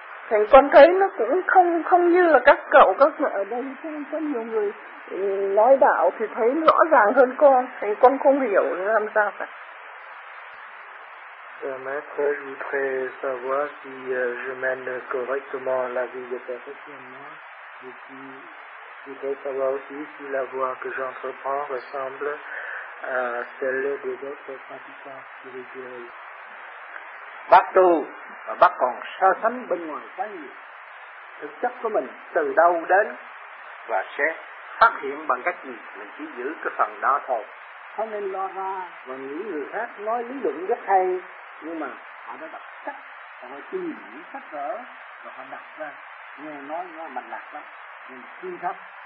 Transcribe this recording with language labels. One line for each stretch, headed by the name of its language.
Vietnamese: thành con thấy nó cũng không như là các cậu các mẹ ở đây, có nhiều người nói đạo thì thấy rõ ràng hơn con, thành con không hiểu làm sao cả.
French: Maître, je voudrais savoir si je mène correctement la vie de perfectionnement. Et puis, je voudrais savoir aussi si la voie que j'entreprends ressemble à celle des autres pratiquants spirituels.
Vietnamese: Bác tu, mà bác còn so sánh bên ngoài quá nhiều. Thực chất của mình từ đâu đến và sẽ phát hiện bằng cách gì, mình chỉ giữ cái phần đó thôi. Không nên lo ra và nghĩ người khác nói lý luận rất hay, nhưng mà họ đã đọc sách, họ đã tìm những sách vở rồi họ đặt ra nghe nói nó mạch lạc lắm, nhưng mà tin thấp.